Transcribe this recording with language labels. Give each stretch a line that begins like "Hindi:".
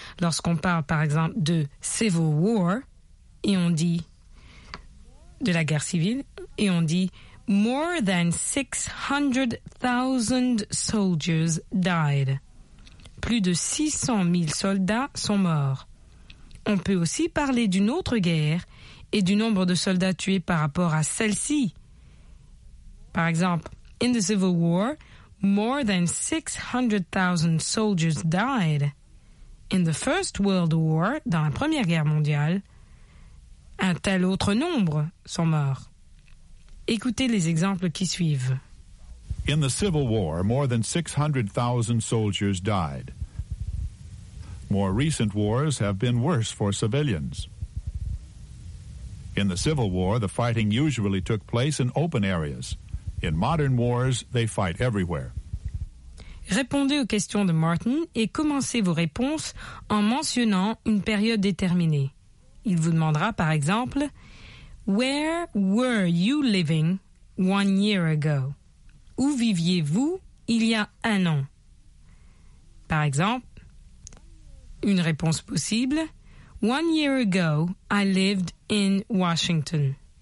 French: Lorsqu'on parle, par exemple, de Civil War, et on dit de la guerre civile, et on dit «
English: More than 600,000 soldiers died.
French: » Plus de 600 000 soldats sont morts. On peut aussi parler d'une autre guerre et du nombre de soldats tués par rapport à celle-ci. Par exemple,
English: in the Civil War, more than 600,000 soldiers died. In the First World War,
French: dans la Première Guerre mondiale, un tel autre nombre sont morts. Écoutez les exemples qui suivent.
English: In the Civil War, more than 600,000 soldiers died. More recent wars have been worse for civilians. In the Civil War, the fighting usually took place in open areas. In modern wars, they fight everywhere.
French: Répondez aux questions de Martin et commencez vos réponses en mentionnant une période déterminée. Il vous demandera par exemple,
English: Where were you living 1 year ago?
French: Où viviez-vous il y a un an? Par exemple, une réponse possible,
English: 1 year ago, I lived in Washington.